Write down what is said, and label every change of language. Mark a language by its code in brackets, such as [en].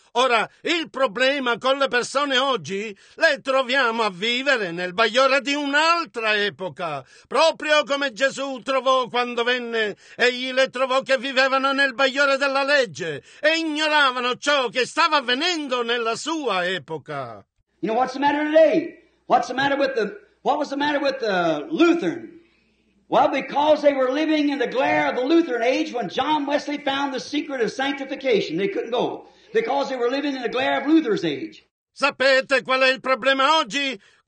[it] Ora, il problema con le persone oggi, le troviamo a vivere nel bagliore di un'altra epoca, proprio come Gesù trovò quando venne, egli le trovò che vivevano nel bagliore della legge e ignoravano ciò che stava avvenendo nella sua epoca. [en] You know, what's the matter today? What was the matter with the Lutheran? Well, because they were living in the glare of the Lutheran age when John Wesley found the secret of sanctification. They couldn't go because they were living in the glare of Luther's age. [it] Sapete qual è il problema oggi?